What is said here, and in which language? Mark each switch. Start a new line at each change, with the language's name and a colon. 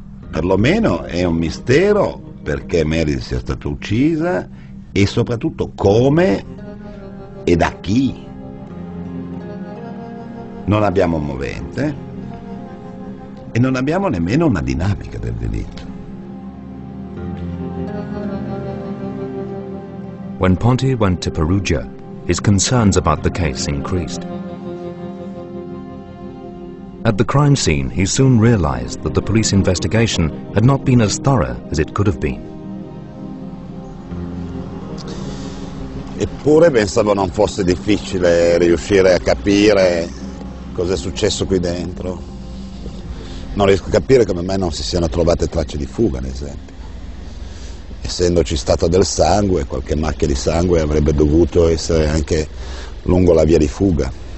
Italian: Perlomeno è un mistero perché Meredith sia stata uccisa e soprattutto come e da chi. Non abbiamo un movente e non abbiamo nemmeno una dinamica del delitto.
English: When Ponty went to Perugia, his concerns about the case increased. At the crime scene, he soon realized that the police investigation had not been as thorough as it could have been.
Italian: Eppure pensavo non fosse difficile riuscire a capire cosa è successo qui dentro. Non riesco a capire come mai non si siano trovate tracce di fuga, ad esempio. Essendoci stato del sangue, qualche macchia di sangue avrebbe dovuto essere anche lungo la via di fuga.